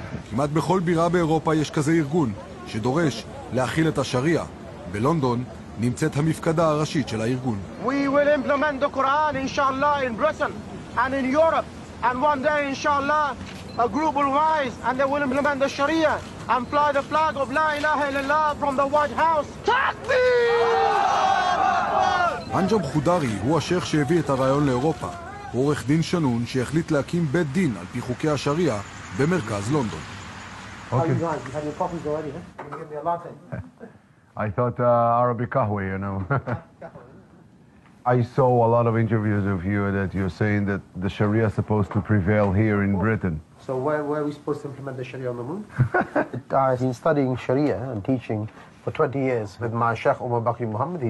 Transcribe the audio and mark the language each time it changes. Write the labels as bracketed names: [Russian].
[Hebrew] כמעט בכל בירה באירופה יש כזה ארגון שדורש להכיל את השריעה. בלונדון נמצאת המפקדה הראשית של הארגון. [English] We will implement the Quran, inshallah, in Britain and in Europe. And one day, inshallah, a group will rise and they will implement the Sharia and fly the flag of La ilaha illallah from the White House. [Arabic] Takbir! [Hebrew] אנג'ם חודרי הוא השייח שהביא את הרעיון לאירופה. הוא עורך דין שנון שהחליט להקים בית דין על פי חוקי השריעה במרכז לונדון. [English] Okay. How you doing? You had your coffee already, huh? You gave me a latte. I thought Arabic kahwe, you know. I saw a lot of interviews of you that you're saying that the Sharia is supposed to prevail here in Britain. So where are we supposed to implement the Sharia on the moon? I've been studying Sharia and teaching for 20 years with my Sheikh Omar Bakri Muhammad.